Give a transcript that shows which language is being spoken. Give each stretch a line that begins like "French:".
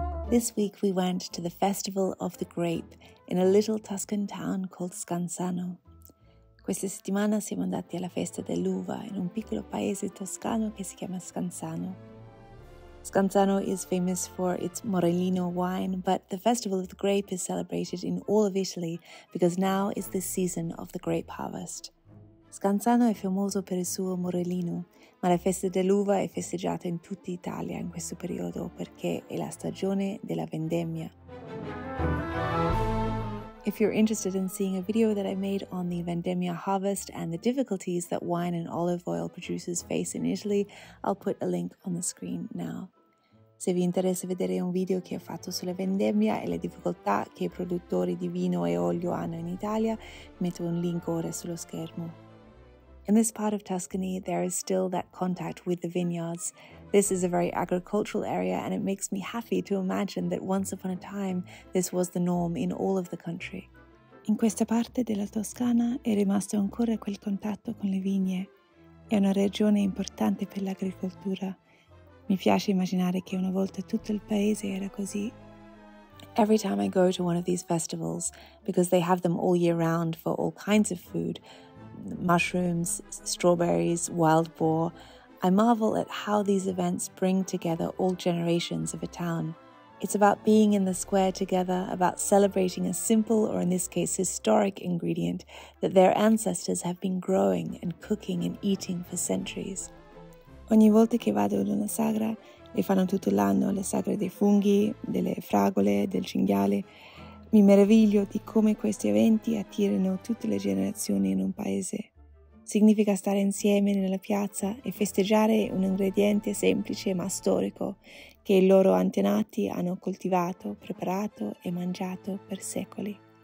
English: This week we went to the Festival of the Grape in a little Tuscan town called Scanzano.
Italian: Questa settimana siamo andati alla festa dell'uva in un piccolo paese toscano che si chiama Scanzano.
English: Scanzano is famous for its Morellino wine, but the Festival of the Grape is celebrated in all of Italy because now is the season of the grape harvest.
Italian: Scanzano è famoso per il suo Morellino, ma la festa dell'uva è festeggiata in tutta Italia in questo periodo perché è la stagione della vendemmia.
English: If you're interested in seeing a video that I made on the vendemmia harvest and the difficulties that wine and olive oil producers face in Italy, I'll put a link on the screen now.
Italian: Se vi interessa vedere un video che ho fatto sulla vendemmia e le difficoltà che i produttori di vino e olio hanno in Italia, metto un link ora sullo schermo.
English: In this part of Tuscany, there is still that contact with the vineyards. This is a very agricultural area, and it makes me happy to imagine that once upon a time, this was the norm in all of the country.
Italian: In questa parte della Toscana è rimasto ancora quel contatto con le vigne. È una regione importante per l'agricoltura. Mi piace immaginare che una volta tutto il paese era così.
English: Every time I go to one of these festivals, because they have them all year round for all kinds of food, mushrooms, strawberries, wild boar, I marvel at how these events bring together all generations of a town. It's about being in the square together, about celebrating a simple, or in this case, historic ingredient that their ancestors have been growing and cooking and eating for centuries.
Italian: Ogni volta che vado ad una sagra, le fanno tutto l'anno le sagre dei funghi, delle fragole, del cinghiale. Mi meraviglio di come questi eventi attirino tutte le generazioni in un paese. Significa stare insieme nella piazza e festeggiare un ingrediente semplice ma storico che i loro antenati hanno coltivato, preparato e mangiato per secoli.